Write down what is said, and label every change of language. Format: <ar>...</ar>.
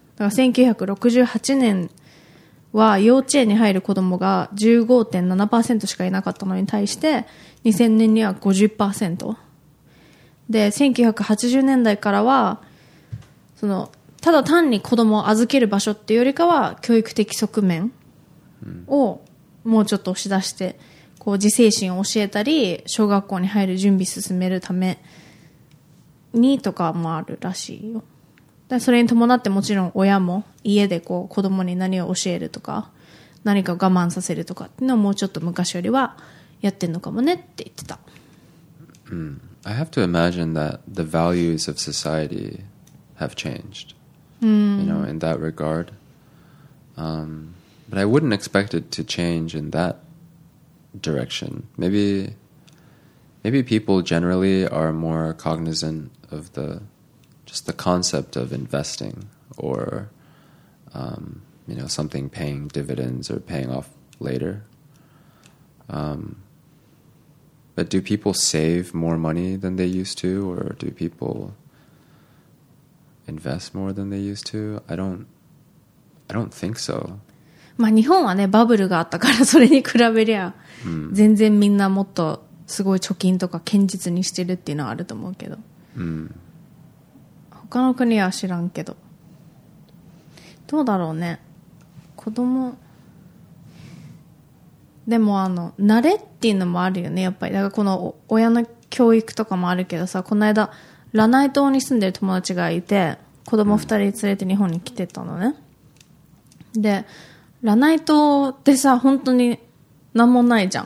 <ja>だから1968年は幼稚園に入る子供が 15.7% しかいなかったのに対して2000年には 50% で1980年代からはそのただ単に子供を預ける場所っていうよりかは教育的側面をもうちょっと押し出してこう自制心を教えたり小学校に入る準備進めるためにとかもあるらしいよ。だそれに伴ってもちろん親も家でこう子供に何を教えるとか何か我慢させるとかっていうのをもうちょっと昔よりはやってんのかもねって言ってた。</ja> <en>I have to imagine that the values of society have changed, you know, in that regard. But I wouldn't expect it to change in thatdirection. Maybe people generally are more cognizant of the just the concept of investing or you know something paying dividends or paying off later. But do people save more money than they used to or do people invest more than they used to? I don't think so.</en> <ja>まあ、日本はねバブルがあったからそれに比べりゃ全然みんなもっとすごい貯金とか堅実にしてるっていうのはあると思うけど、うん、他の国は知らんけどどうだろうね子供でもあの慣れっていうのもあるよねやっぱりだからこの親の教育とかもあるけどさこの間ラナイ島に住んでる友達がいて子供2人連れて日本に来てたのね、うん、でラナイ島ってさ本当に何もないじゃん、</ja>